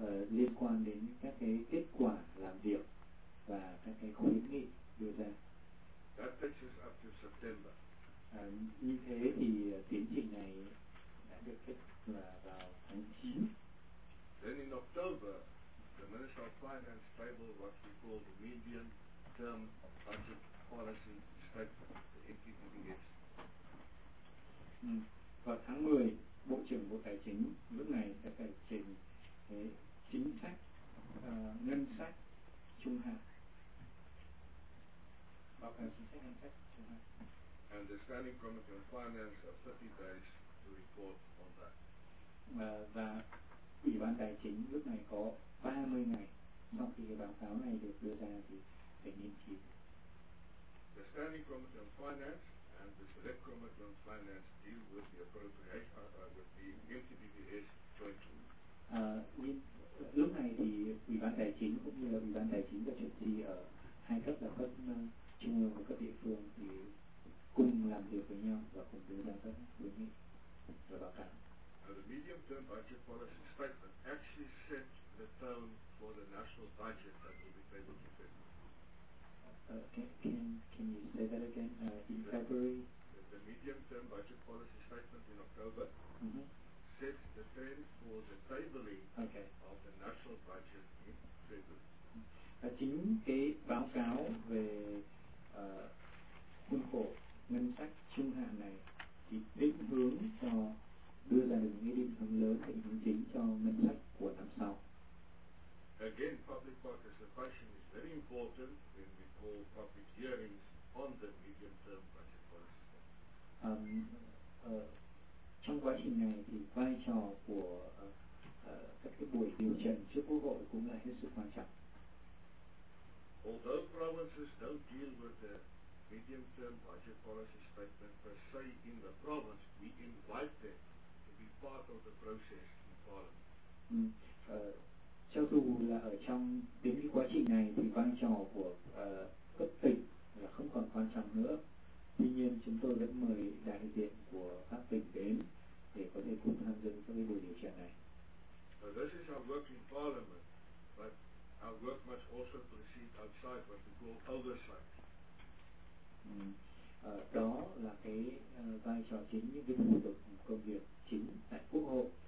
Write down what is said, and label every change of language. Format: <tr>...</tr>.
<vi>Liên quan đến các cái kết quả làm việc và các cái khuyến nghị đưa ra.</vi> <en>That takes us up to September.</en> <vi>Như thế thì tiến trình này đã được kết là vào tháng 9.</vi> <en>Then in October, the Minister of Finance tabled what we call the medium term budget policy statement, the MTBS.</en> <vi>Vào tháng 10, Bộ trưởng Bộ Tài chính lúc này sẽ phải trình cái chính sách ngân sách trung hạn. Báo cáo chính sách ngân sách trung hạn.</vi> <en>And the Standing Committee on Finance have 30 days to report on that.</en> <vi>Và Ủy ban Tài chính lúc này có 30 ngày sau khi báo cáo này được đưa ra thì phải nghiên cứu.</vi> <en>The Standing Committee on Finance and the Select Committee on Finance deal with the appropriation with the MTBS jointly.</en> <vi>Lúc này thì Ủy ban Tài chính cũng như là Ủy ban Tài chính và chủ trì ở hai cấp là cấp trung ương và cấp địa phương thì cùng làm việc với nhau và cùng đưa ra các quyết nghị và báo cáo.</vi> <en>The medium term budget policy statement actually set the tone for the national budget that will be tabled in February. Can you say that again? In February? The medium term budget policy statement in October sets the tone for the tabling of the national budget in February.</en> <vi>Chính cái báo cáo về khuôn khổ ngân sách trung hạn này thì định hướng cho đưa ra được những cái định hướng lớn định hướng chính cho ngân sách của năm sau.</vi> <en>Again, public participation is very important when we call public hearings on the medium term budget policy.</en> <vi>Trong quá trình này thì vai trò của các cái buổi điều trần trước Quốc hội cũng là hết sức quan trọng.</vi> <en>Although provinces don't deal with the medium term budget policy statement per se in the province, we invite them part of the process in Parliament.</en> <vi>Cho dù là ở trong đến quá trình này thì vai trò của cấp tỉnh là không còn quan trọng nữa. Tuy nhiên chúng tôi vẫn mời đại diện của các tỉnh đến để có thể cùng tham dự cho cái buổi điều trần này.</vi> <en>This is our work in Parliament, but our work must also proceed outside what we call oversight.</en> <vi>Đó là cái vai trò chính, những cái thủ tục công việc chính tại Quốc hội.</vi>